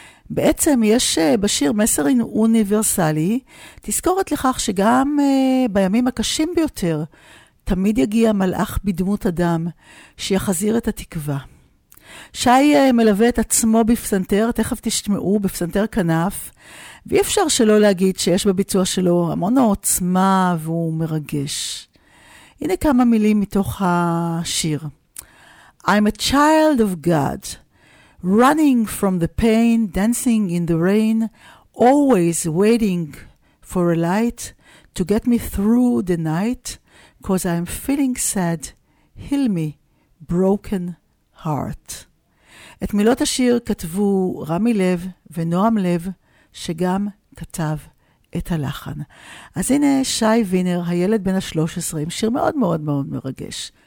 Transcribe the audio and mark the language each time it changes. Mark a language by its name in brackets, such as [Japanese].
[Hebrew] בעצם יש בשיר מסר אוניברסלי, תזכורת לכך שגם בימים הקשים ביותר תמיד יגיע מלאך בדמות אדם שיחזיר את התקווה. שי מלווה את עצמו בפסנתר, תכף תשמעו, בפסנתר כנף, ואי אפשר שלא להגיד שיש בביצוע שלו המון עוצמה והוא מרגש. הנה כמה מילים מתוך השיר. [English] I'm a child of God, running from the pain, dancing in the rain, always waiting for a light to get me through the night, because I'm feeling sad, heal me, broken heart. [Hebrew] את מילות השיר כתבו רמי לב ונועם לב, שגם כתב את הלחן. אז הנה שי וינר, הילד בן ה-13, עם שיר מאוד מאוד מאוד מרגש.